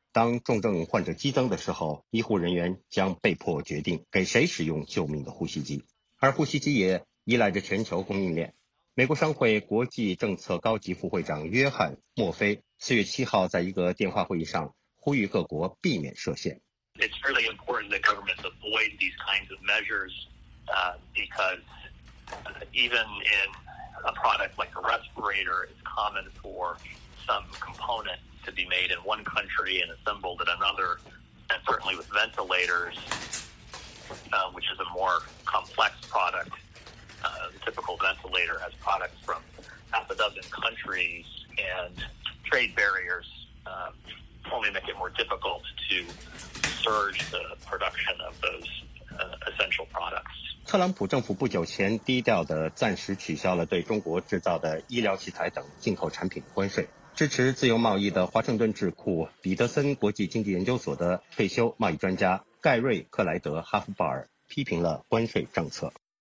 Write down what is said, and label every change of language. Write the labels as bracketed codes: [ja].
[zh] 当重症患者激增的时候，医护人员将被迫决定给谁使用救命的呼吸机，而呼吸机也依赖着全球供应链。美国商会国际政策高级副会长约翰·墨菲4月7号在一个电话会议上呼吁各国避免设限。 [en] It's really important that governments avoid these kinds of measures, because even in a product like a respirator, it's common for some component. To be made in one country and assembled in another, and certainly with ventilators, which is a more complex product. The typical ventilator has products from half a dozen countries, and trade barriers only make it more difficult to surge the production of those essential products. [zh] 特朗普政府不久前低调地暂时取消了对中国制造的医疗器材等进口产品关税。支持自由贸易的华盛顿智库彼得森国际经济研究所的退休贸易专家盖瑞·克莱德·哈夫鲍尔批评了关税政策。